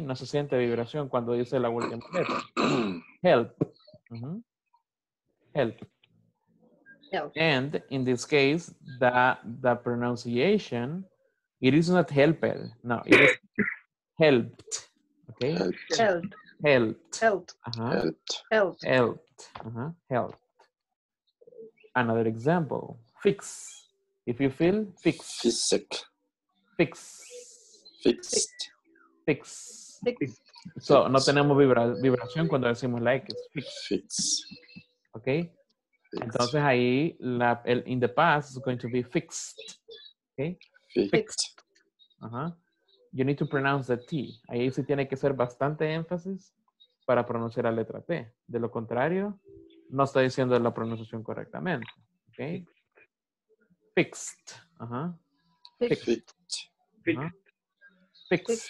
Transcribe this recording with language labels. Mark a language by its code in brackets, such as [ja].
[es] No se siente vibración cuando dice la última letra. [en] Help. Uh-huh. Help. Help. And in this case, the pronunciation, it is not helped. No, it is helped, okay? Helped. Helped. Helped. Uh-huh. Helped. Helped. Uh-huh. Helped. Another example. Fix. If you feel, fix. She's sick. Fix. Fixed. Fix. Fix. [es] So, no tenemos vibración cuando decimos like. Fix. [en] Fix. Okay? Fix. [es] Entonces ahí, [en] in the past, it's going to be fixed. Okay? Fixed. Uh-huh. You need to pronounce the T. [es] Ahí sí tiene que ser bastante énfasis para pronunciar la letra T. De lo contrario, no está diciendo la pronunciación correctamente. [en] Okay? Fixed. Uh-huh. Fixed. Fixed. Uh-huh. Fixed.